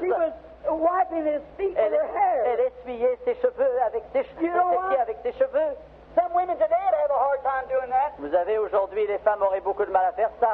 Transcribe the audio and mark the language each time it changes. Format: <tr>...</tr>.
<en>She was wiping his feet with her hair.</en> <fr>Elle essuyait ses cheveux avec avec ses cheveux.</fr> <en>Some women today have a hard time doing that.</en> <fr>Vous avez aujourd'hui, les femmes auraient beaucoup de mal à faire ça.</fr>